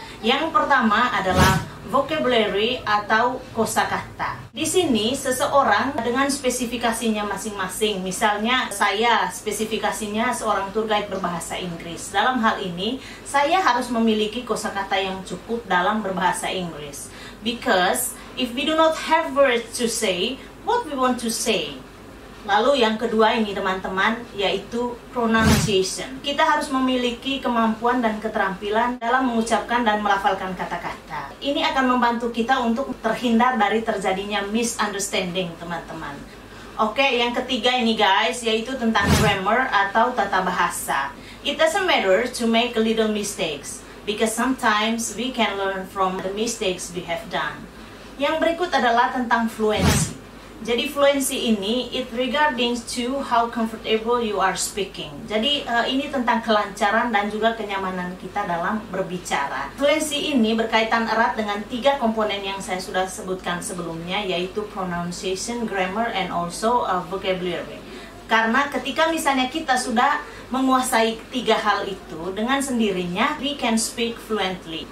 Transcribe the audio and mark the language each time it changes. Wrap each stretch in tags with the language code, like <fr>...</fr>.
<id>Yang pertama adalah vocabulary atau kosakata. Di sini seseorang dengan spesifikasinya masing-masing, misalnya saya spesifikasinya seorang tour guide berbahasa Inggris. Dalam hal ini, saya harus memiliki kosakata yang cukup dalam berbahasa Inggris.</id> <en>Because if we do not have words to say, what we want to say?</en> <id>Lalu yang kedua ini teman-teman, yaitu pronunciation. Kita harus memiliki kemampuan dan keterampilan dalam mengucapkan dan melafalkan kata-kata. Ini akan membantu kita untuk terhindar dari terjadinya misunderstanding teman-teman. Oke, yang ketiga ini guys, yaitu tentang grammar atau tata bahasa.</id> <en>It doesn't matter to make a little mistakes, because sometimes we can learn from the mistakes we have done.</en> <id>Yang berikut adalah tentang fluency. Jadi fluency ini,</id> <en>it regarding to how comfortable you are speaking.</en> <id>Jadi ini tentang kelancaran dan juga kenyamanan kita dalam berbicara. Fluency ini berkaitan erat dengan 3 komponen yang saya sudah sebutkan sebelumnya, yaitu pronunciation, grammar, and also vocabulary. Karena ketika misalnya kita sudah menguasai 3 hal itu, dengan sendirinya</id> <en>we can speak fluently.</en>